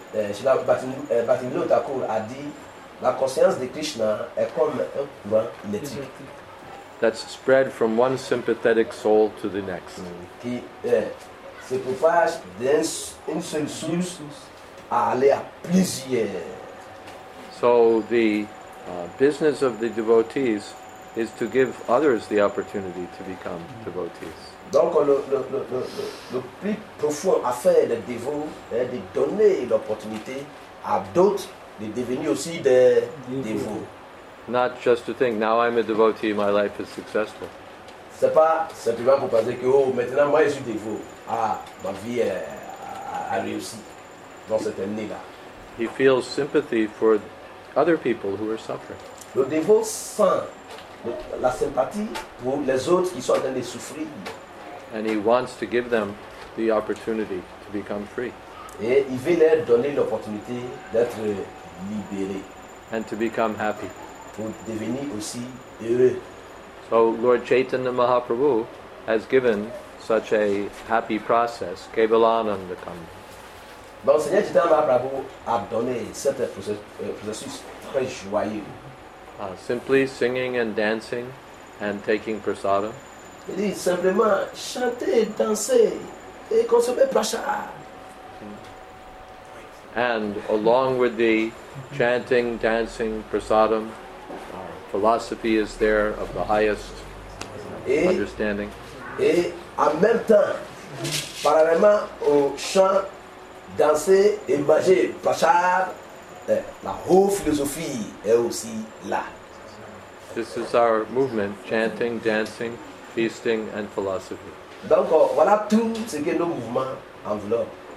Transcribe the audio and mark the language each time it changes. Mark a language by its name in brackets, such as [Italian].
[French] Srila Bhaktivinoda Thakur a dit, la conscience de Krishna est comme un courant électrique. [English] That's spread from one sympathetic soul to the next. [French] Qui se propage d'une seule source à aller à plusieurs. [English] So the business of the devotees is to give others the opportunity to become devotees. [French] Donc le plus profond affaire des dévots est de donner l'opportunité à d'autres de devenir aussi des dévots. [English] Not just to think, now I'm a devotee, my life is successful. [French] C'est pas simplement pour penser que oh maintenant moi je suis dévot, ah ma vie a réussi dans cette année là. [English] He feels sympathy for other people who are suffering. [French] Le dévot sent la sympathie pour les autres qui sont en train de souffrir. [English] And he wants to give them the opportunity to become free. [French] Et il veut leur donner l'opportunité d'être libéré. [English] And to become happy. [French] Pour devenir aussi heureux. [English] So Lord Chaitanya Mahaprabhu has given such a happy process, Kevalanandakam. [French] Donc Seigneur Chaitanya Mahaprabhu a donné cet processus très joyeux. [English] Simply singing and dancing and taking prasadam. [French] Il dit simplement chanter, danser et consommer prasad. [English] And along with the chanting, dancing, prasadam, philosophy is there of the highest understanding. [French] Et en même temps, parallèlement au chant, danser et manger prasad, la haute philosophie est aussi là. [English] This is our movement, chanting, dancing, feasting, and philosophy. [French] Donc, voilà tout ce que nos mouvements enveloppent.